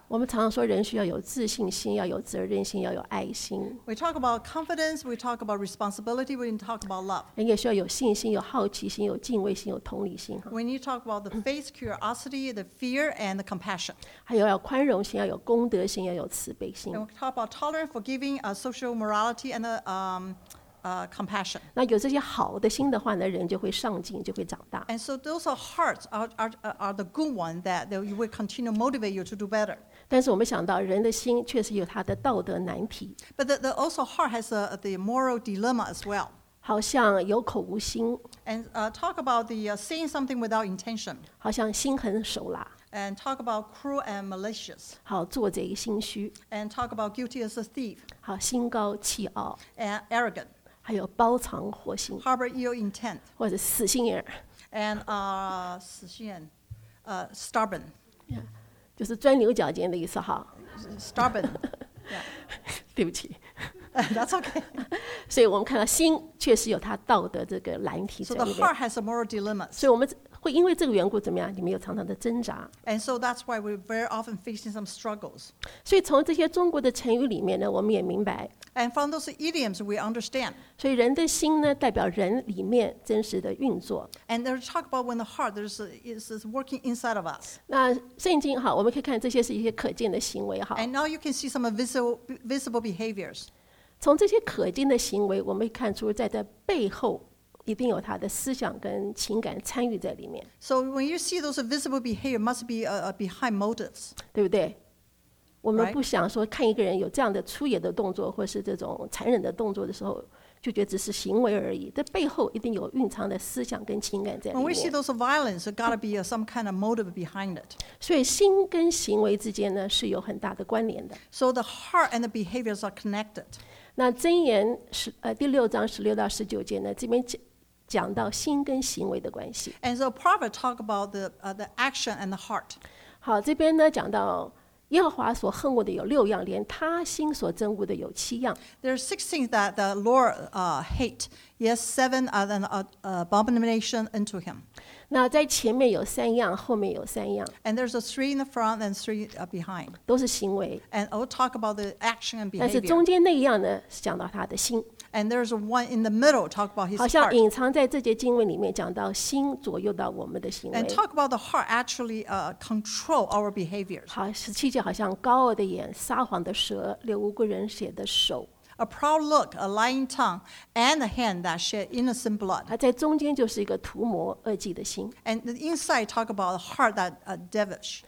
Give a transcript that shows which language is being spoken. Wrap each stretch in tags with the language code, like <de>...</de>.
<zh>我们常常说人需要有自信心，要有责任心，要有爱心。</zh> <en>We talk about confidence. We talk about responsibility. We need to talk about love.</en> <zh>人也需要有信心，有好奇心，有敬畏心，有同理心。</zh> <en>When you talk about the faith, curiosity, the fear, and the compassion.</en> <zh>还有要宽容心，要有公德心，要有慈悲心。</zh> <en>And we talk about tolerance, forgiving, social morality, and compassion.</en> <zh>那有这些好的心的话呢，人就会上进，就会长大。</zh> <en>And so those are hearts are the good ones that you will continue to motivate you to do better.</en> <zh>但是我们想到人的心确实有他的道德难题。</zh> <en>But the also heart has the moral dilemma as well.</en> <zh>好像有口无心</zh> <en>，and talk about the saying something without intention.</en> <zh>好像心狠手辣</zh> <en>，and talk about cruel and malicious.</en> <zh>好做贼心虚</zh> <en>，and talk about guilty as a thief.</en> <zh>好心高气傲</zh> <en>，and arrogant.</en> <zh>还有包藏祸心</zh> <en>，harbor ill intent.</en> <zh>或者死心眼</zh> <en>，and</en> <zh>死心眼</zh> <en>，stubborn.</en> <zh>Yeah, 就是钻牛角尖的意思哈</zh> <en>，stubborn. Yeah,</en> <zh>对不起。</zh> <en>That's okay.</en> <zh>所以我们看到心确实有它道德这个难题在里面。</zh> <en>So the heart has a moral dilemma.</en> <zh>所以我们会因为这个缘故怎么样？你们有常常的挣扎。</zh> <en>And so that's why we're very often facing some struggles.</en> <zh>所以从这些中国的成语里面呢，我们也明白。</zh> <en>And from those idioms, we understand.</en> <zh>所以人的心呢，代表人里面真实的运作。</zh> <en>And they talk about when the heart is working inside of us.</en> <zh>那圣经好，我们可以看这些是一些可见的行为哈。</zh> <en>And now you can see some visible behaviors.</en> <zh>从这些可见的行为，我们会看出在这背后一定有他的思想跟情感参与在里面。</zh> <en>So when you see those visible behavior, must be a behind motives,</en> <zh>对不对？我们不想说看一个人有这样的粗野的动作，或是这种残忍的动作的时候，就觉得只是行为而已。这背后一定有蕴藏的思想跟情感在里面。</zh> <en>When we see those violence, there gotta be some kind of motive behind it.</en> <zh>所以心跟行为之间呢是有很大的关联的。</zh> <en>So the heart and the behaviors are connected.</en> <zh>那箴言第六章十六到十九节呢，这边讲到心跟行为的关系。</zh> <en>And so Proverbs talk about the action and the heart.</en> <zh>好，这边呢讲到耶和华所恨恶的有六样，连他心所憎恶的有七样。</zh> <en>There are six things that the Lord hate. Yes, seven are an abomination unto him.</en> <zh>那在前面有三样，后面有三样。</zh> <en>And there's a three in the front and three behind.</en> <zh>都是行为。</zh> <en>And I'll talk about the action and behavior.</en> <zh>但是中间那一样呢，是讲到他的心。</zh> <en>And there's one in the middle, talk about his heart.</en> <zh>好像隐藏在这节经文里面，讲到心左右到我们的行为。</zh> <en>And talk about the heart actually control our behaviors.</en> <zh>好，十七节好像高傲的眼、撒谎的舌、流无辜人血的手。</zh> <en>A proud look, a lying tongue, and a hand that shed innocent blood.</en> <zh>在中间就是一个图谋恶计的心。</zh> <en>And the inside talk about a heart that devilish.</en>